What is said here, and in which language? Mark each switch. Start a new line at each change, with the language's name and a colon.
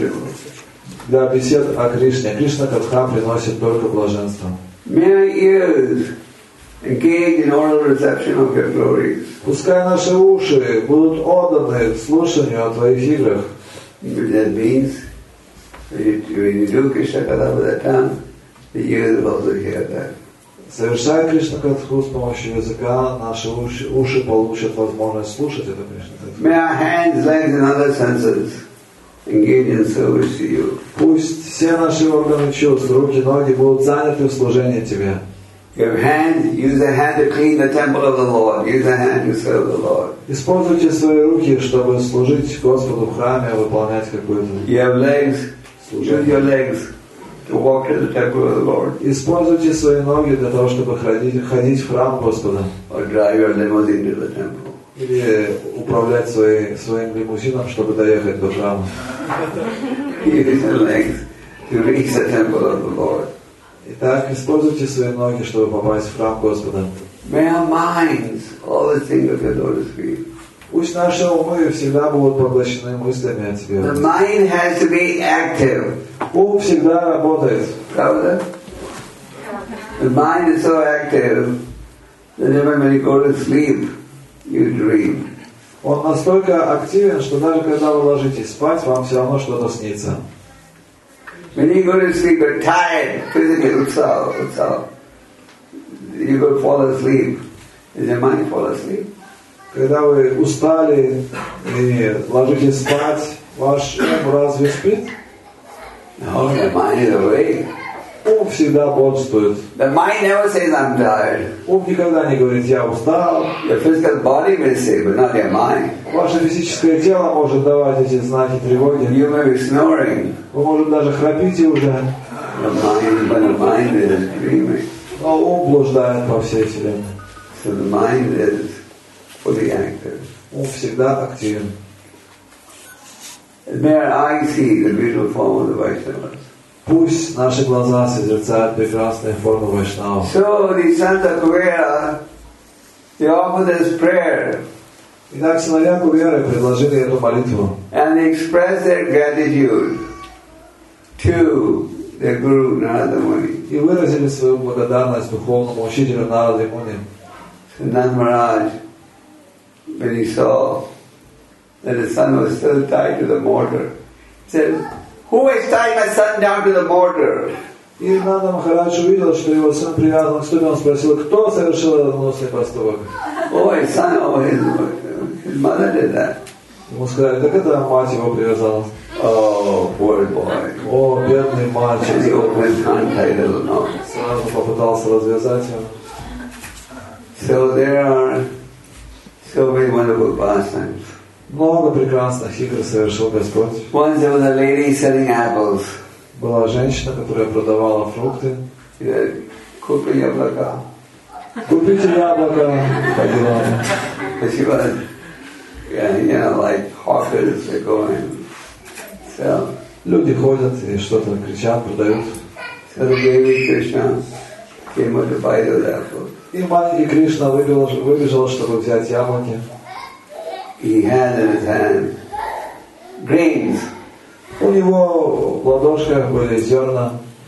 Russian: Кришна-катха есть для беседы о Кришне. Кришна-катха приносит только блаженство.
English: May ears engage in oral reception of your glories.
Russian: Пускай наши уши будут отданы слушанию о твоих играх.
English: That means when you do Кришна-катха with the tongue, the ears will also hear that.
Russian: Совершая Кришна-катху с помощью языка, наши уши получат возможность слушать это Кришна-катху.
English: May our hands, legs and other senses engage in service to you.
Russian: Пусть все наши органы чувств, руки, ноги будут заняты в служении тебе.
English: Your hand, use the hand to clean the temple of the Lord. Use the hand to serve the Lord.
Russian: Используйте свои руки, чтобы служить Господу в храме, выполнять какую-то.
English: You have legs, use your legs. To walk to the temple of the Lord.
Russian: Используйте свои ноги для того, чтобы ходить в храм Господа.
English: Or drive your limousine to the temple.
Russian: Или управлять своим лимузином, чтобы доехать до храма.
English: Use your legs to reach the temple of the Lord.
Russian: Итак, используйте свои ноги, чтобы попасть в храм Господа.
English: May our minds always think of your lotus feet.
Russian: Пусть наши умы всегда будут поглощены мыслями о Тебе.
English: The mind has to be active.
Russian: Ум всегда работает. Правда?
English: The mind is so active that even when you go to sleep, you dream.
Russian: Он настолько активен, что даже когда вы ложитесь спать, вам все равно что-то снится.
English: When you go to sleep, you're tired physically. What's up? You go fall asleep. Does your mind fall asleep?
Russian: Когда вы устали и ложитесь спать, ваш ум разве спит?
English: No, the mind is awake.
Russian: Ум всегда бодрствует.
English: The mind never says I'm tired.
Russian: Ум никогда не говорит я устал.
English: Your physical body may say, but not your mind.
Russian: Ваше физическое тело может давать эти знаки тревоги.
English: You may be snoring.
Russian: Вы может даже храпите уже.
English: The mind is dreaming.
Russian: Но ум блуждает по всей вселенной.
English: So the mind is fully active.
Russian: Ум всегда активен.
English: May our eyes see the beautiful form of the Vaishnavas.
Russian: Пусть наши глаза созерцают прекрасные формы Вайшнава.
English: So the Santa Kuvera, they offer this prayer.
Russian: Итак, сыновья Куверы предложили эту молитву.
English: And they express their gratitude to their guru Narada Muni.
Russian: И выразили свою благодарность духовному учителю Нараде Муни.
English: So Narada Maharaj, when he saw that his son was still tied to the mortar, he said, "Who is tying my son down to the mortar?"
Russian: И Нарада Махарадж увидел, что его сын привязан к стулу, он спросил, кто совершил этот гнусный поступок?
English: Oh, his son, oh, his mother did that.
Russian: Ему сказали, так это мать его привязала.
English: Oh, poor boy.
Russian: О, бедный мальчик.
English: And he opened his untied little knot.
Russian: Сразу попытался развязать его.
English: So many wonderful pastimes.
Russian: Много прекрасных игр совершил Господь.
English: Once there was a lady selling apples.
Russian: Была женщина, которая продавала фрукты. Купи яблока. Купите яблоко. Ходила.
English: She was, like hawkers, they go and sell.
Russian: Люди ходят и что-то кричат, продают.
English: So the baby Krishna came out to buy those apples.
Russian: И маленький Кришна выбежал, чтобы взять яблоки.
English: He had in his hand grains.
Russian: У него в ладошках были зерна.